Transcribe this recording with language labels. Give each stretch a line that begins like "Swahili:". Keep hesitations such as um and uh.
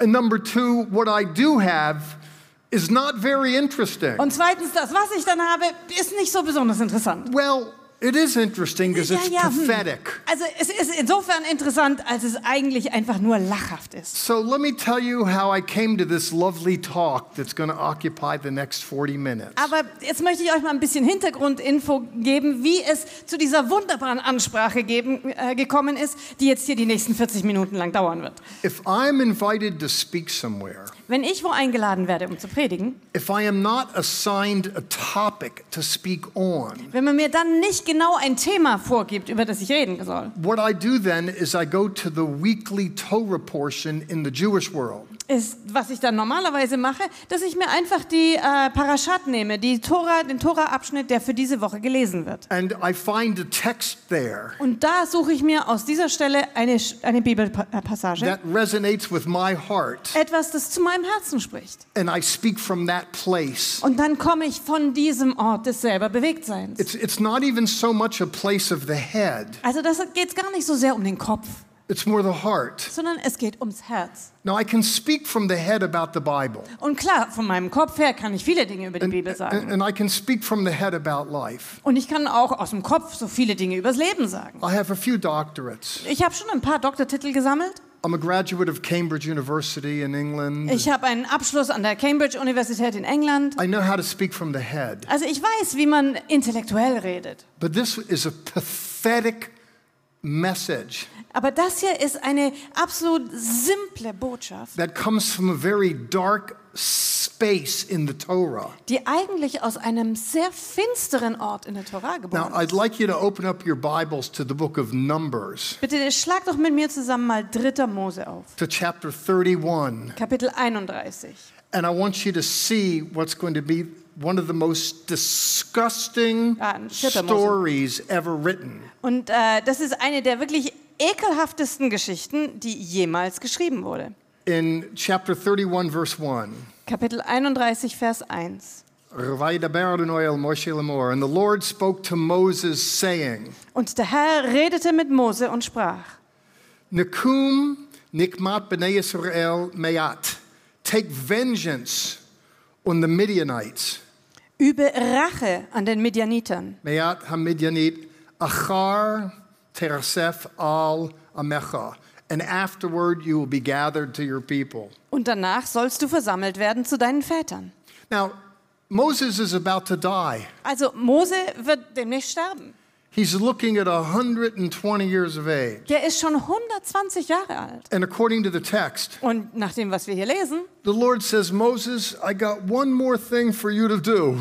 English: And number two, what I do have is not very interesting.
German: Und zweitens, das was ich dann habe, so besonders interessant.
English: Well, It is interesting, it's ja, ja, hm.
German: Also es ist insofern interessant, als es eigentlich einfach nur lachhaft ist.
English: So let me tell you how I came to this lovely talk that's going to occupy the next 40 minutes.
German: Aber jetzt möchte ich euch mal ein bisschen Hintergrundinfo geben, wie es zu dieser wunderbaren Ansprache geben, äh, gekommen ist, die jetzt hier die nächsten 40 Minuten lang dauern wird.
English: If I'm invited to speak somewhere.
German: Wenn ich wo eingeladen werde, um zu predigen,
English: if I am not assigned a topic to speak on,
German: when man mir dann nicht genau ein Thema vorgibt, über das ich reden soll,
English: what I do then is I go to the weekly Torah portion in the Jewish world.
German: ist, was ich dann normalerweise mache, dass ich mir einfach die uh, Parashat nehme, die Tora, den Tora-Abschnitt, der für diese Woche gelesen wird.
English: There,
German: Und da suche ich mir aus dieser Stelle eine, eine
English: Bibelpassage, that resonates with my heart, etwas,
German: das zu meinem Herzen spricht. Und dann komme ich von diesem Ort des selber Bewegtseins. Also das geht gar nicht so sehr um den Kopf. Sondern es geht ums Herz.
English: Now I can speak from the head about the Bible.
German: Und klar, von meinem Kopf her kann ich viele Dinge über die and, Bibel sagen. and
English: I can speak from the head about life.
German: Und ich kann auch aus dem Kopf so viele Dinge übers Leben sagen.
English: I have a few doctorates.
German: Ich habe schon ein paar Doktortitel gesammelt.
English: I'm a graduate of Cambridge University in England.
German: Ich habe einen Abschluss an der Cambridge Universität in England.
English: I know how to speak from the head.
German: Also ich weiß, wie man intellektuell redet.
English: But this is a pathetic Message, that comes from a very dark space in the Torah.
German: Die eigentlich aus einem sehr finsteren Ort in der Tora geboren.
English: Now I'd like you to open up your Bibles to the book of Numbers.
German: Bitte schlag doch mit mir zusammen mal Dritter Mose auf.
English: To chapter 31.
German: Kapitel 31.
English: And I want you to see what's going to be one of the most disgusting ja, stories ever written.
German: And äh, uh, das ist eine der wirklich ekelhaftesten Geschichten, die jemals geschrieben wurde.
English: In chapter 31 verse 1. Kapitel
German: 31 Vers 1.
English: And the Lord spoke to Moses, saying,
German: und der Herr redete mit Mose und sprach:
Hebrew: Nikum nikkmat bnei Israel meat,
English: take vengeance on the Midianites.
German: übe Rache an den Midianitern.
Hebrew: Meat ha Midianit achar teraseph al amecha.
English: And afterward you will be gathered to your people.
German: Und danach sollst du versammelt werden zu deinen Vätern.
English: Now also, Moses is about to die.
German: Also Mose wird demnächst sterben.
English: He's looking at 120 years of age.
German: Der ist schon 120 Jahre alt.
English: And according to the text,
German: und nach dem, was wir hier lesen,
English: the Lord says, Moses, I got one more thing for you to do.